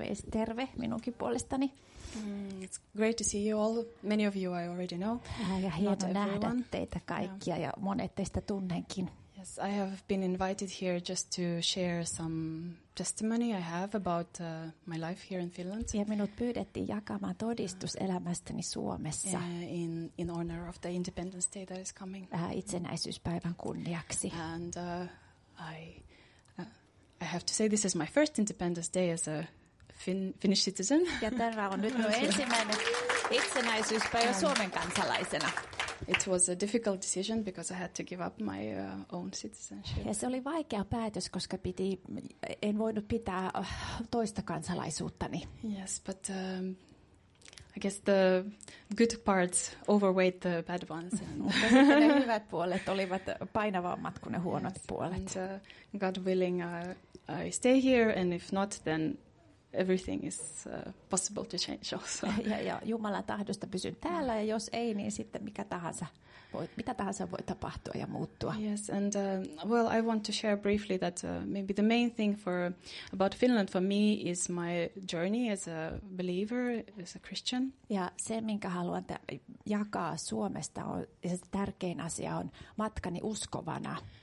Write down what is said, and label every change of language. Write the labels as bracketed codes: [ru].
[fi] Terve minunkin puolestani. [en] It's great to see you all. Many of you I already know. [fi] Ja hieno nähdä teitä kaikkia, yeah. Ja monet teistä tunnenkin. [en] Yes, I have been invited here just to share some testimony I have about my life here in Finland. [fi] Ja minut pyydettiin jakamaan todistus elämästäni Suomessa. [en] In honor of the Independence Day that is coming. [fi] Itsenäisyyspäivän kunniaksi. [en] And I have to say this is my first Independence Day as a Finnish citizen. [fi] Ja tämä on nyt ensimmäinen itsenäisyyspäivä Suomen kansalaisena. [en] It was a difficult decision because I had to give up my own citizenship. [fi] Ja se oli vaikea päätös, koska en voinut pitää toista kansalaisuuttani. [en] Yes, but I guess the good parts overweight the bad ones. [fi] Ne hyvät puolet olivat painavammat kuin ne huonot puolet. [en] And, God willing, I stay here, and if not, then everything is possible to change also. [fi] Ja Jumalan tahdosta pysyn täällä, ja jos ei, niin sitten mitä tahansa voi tapahtua ja muuttua. [en] Yes, and well, I want to share briefly that maybe the main thing about Finland for me is my journey as a believer, as a Christian. [fi] Ja se, minkä haluan jakaa Suomesta, on se tärkein asia on matkani uskovana.